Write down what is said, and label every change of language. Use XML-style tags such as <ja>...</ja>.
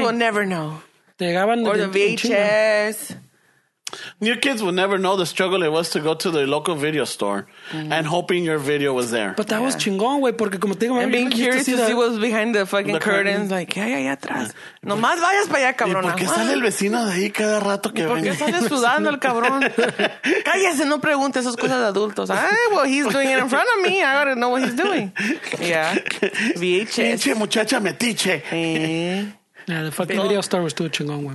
<en>Will never know.</en> <es>Te</es> <en>or the VHS. New kids will never know the struggle it was to go to the local video store and hoping your video was there. But that was</en> <es>chingón, güey, porque como te digo,</es> <en>and being curious to see what's behind the fucking curtains, like, yeah, yeah, yeah,</en> <es>atrás. Nomás vayas para allá, cabrona. ¿Y por qué sale el vecino de ahí cada rato que venga? ¿Por qué sale sudando el cabrón? Cállese, no pregunte esas cosas de adultos.</es> <en>Well, he's doing it in front of me. I don't know what he's doing. Yeah. VHS.</en> <es>Pinche muchacha metiche.</es> <en>Yeah, the fucking video store was too</en> <es>chingón, güey.</es>